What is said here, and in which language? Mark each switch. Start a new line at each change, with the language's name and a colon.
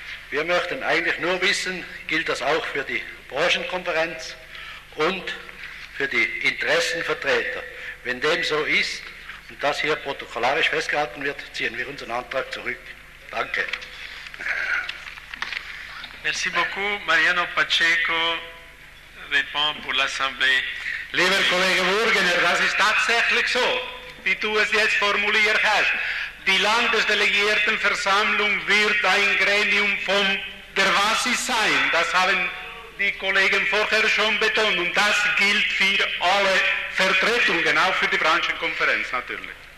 German: Wir möchten eigentlich nur wissen, gilt das auch für die Branchenkonferenz und für die Interessenvertreter. Wenn dem so ist und das hier protokollarisch festgehalten wird, ziehen wir unseren Antrag zurück. Danke.
French: Merci beaucoup. Mariano Pacheco répond pour l'Assemblée.
German: Lieber Kollege Burgener, das ist tatsächlich so, wie du es jetzt formuliert hast. Die Landesdelegiertenversammlung wird ein Gremium von der WASI sein. Das haben die Kollegen vorher schon betont. Und das gilt für alle Vertretungen, auch für die Branchenkonferenz natürlich.